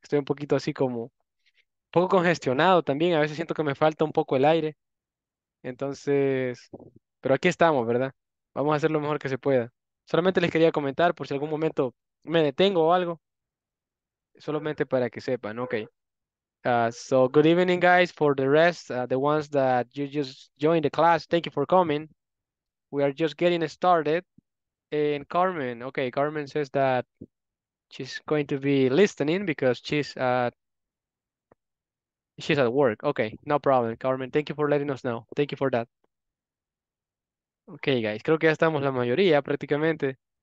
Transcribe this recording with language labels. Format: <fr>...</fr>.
<es>Estoy un poquito así como un poco congestionado también. A veces siento que me falta un poco el aire. Entonces, pero aquí estamos, ¿verdad? Vamos a hacer lo mejor que se pueda. Solamente les quería comentar por si algún momento me detengo o algo. Solamente para que sepan, ok.</es> <en>So good evening, guys. For the rest, the ones that you just joined the class, thank you for coming. We are just getting started. And Carmen, okay, Carmen says that she's going to be listening because she's at work. Okay, no problem, Carmen. Thank you for letting us know. Thank you for that. Okay, guys,</en> <es>creo que ya estamos la mayoría prácticamente.</es>